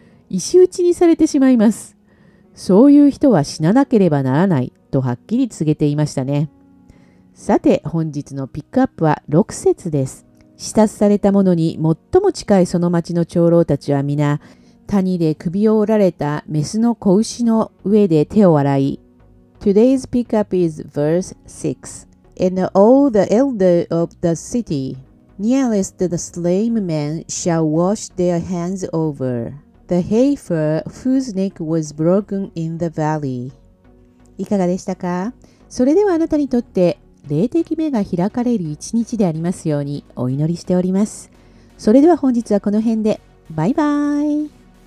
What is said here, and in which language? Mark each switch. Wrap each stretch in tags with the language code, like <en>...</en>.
<ja>石打ちにされてしまいます。そういう人は死ななければならないとはっきり告げていましたね。さて、本日のピックアップは6節です。刺殺された者に最も近いその町の長老たちは皆、谷で首を折られたメスの子牛の上で手を洗い。</ja> <en>Today's pickup is verse 6. And all the elder of the city nearest to the slain man shall wash their hands over the heifer whose neck was broken in the valley.</en> <ja>いかがでしたか。それではあなたにとって霊的目が開かれる一日でありますようにお祈りしております。それでは本日はこの辺で、バイバイ。</ja>